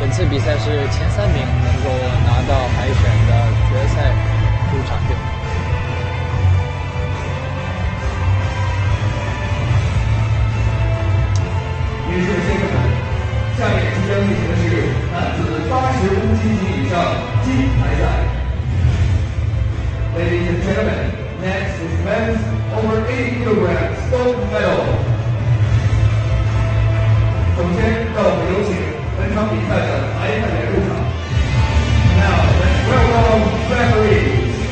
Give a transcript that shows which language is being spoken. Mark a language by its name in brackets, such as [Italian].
[Chinese] 本次比赛是前3名能够拿到海选的决赛入场券。女士先生们，下面即将进行的是男子80公斤级以上金牌赛。 [English] Ladies and gentlemen, next is men's over 80kg gold medal。 [Chinese] 首先，让我们有请本场比赛的裁判员入场。 [English] Now let's welcome referee。